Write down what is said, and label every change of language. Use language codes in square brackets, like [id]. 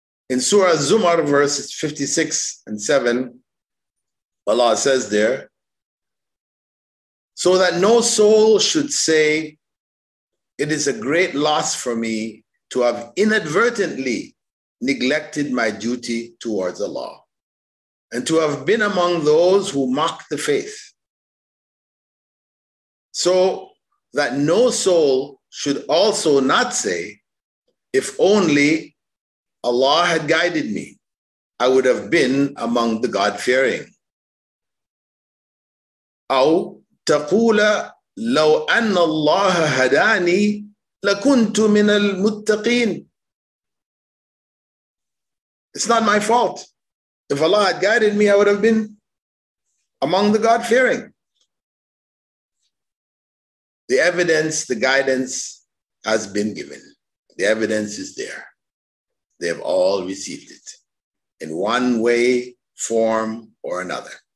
[en] In Surah Zumar, verses 56 and 7, Allah says there, "So that no soul should say, it is a great loss for me to have inadvertently neglected my duty towards Allah, and to have been among those who mock the faith. So that no soul should also not say, if only Allah had guided me, I would have been among the God-fearing. [ar] أو تقول لو أن الله هداني لكنت من المتقين. [en] It's not my fault. If Allah had guided me, I would have been among the God-fearing." The evidence, the guidance has been given. The evidence is there. They have all received it in one way, form, or another.